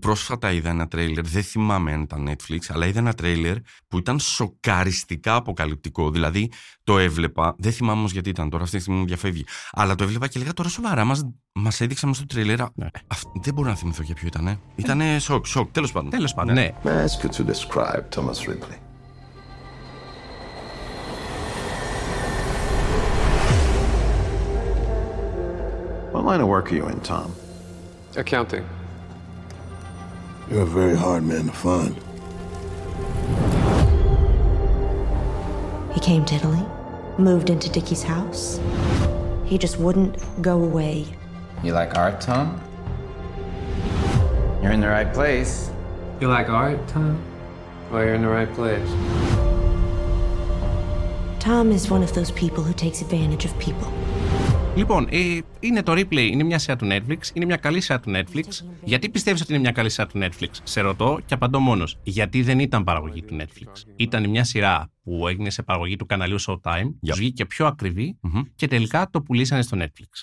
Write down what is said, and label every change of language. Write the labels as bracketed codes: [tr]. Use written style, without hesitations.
[el] Πρόσφατα είδα ένα τρέιλερ. Δεν θυμάμαι αν ήταν Netflix, αλλά είδα ένα τρέιλερ που ήταν σοκαριστικά αποκαλυπτικό. Δηλαδή το έβλεπα. Δεν θυμάμαι όμως γιατί ήταν τώρα. Αυτή τη στιγμή μου διαφεύγει. Αλλά το έβλεπα και λέγα τώρα σοβαρά. Μας έδειξαν στο τρέιλερ. Δεν μπορώ να θυμηθώ για ποιο ήταν. Ήταν σοκ. Τέλος πάντων. Ναι. [en] May I ask you to describe Thomas Ripley? What line of work are you in, Tom? Accounting. You're a very hard man to find. He came to Italy, moved into Dickie's house. He just wouldn't go away. You like art, Tom? You're in the right place. You like art, Tom? Well, you're in the right place. Tom is one of those people who takes advantage of people. [el] Λοιπόν, είναι το Ripley, είναι μια σειρά του Netflix, είναι μια καλή σειρά του Netflix. Γιατί πιστεύεις ότι είναι μια καλή σειρά του Netflix? Σε ρωτώ και απαντώ μόνος. Γιατί δεν ήταν παραγωγή του Netflix. Ήταν μια σειρά που έγινε σε παραγωγή του καναλιού Showtime, yeah. Βγήκε πιο ακριβή, mm-hmm. Και τελικά το πουλήσανε στο Netflix.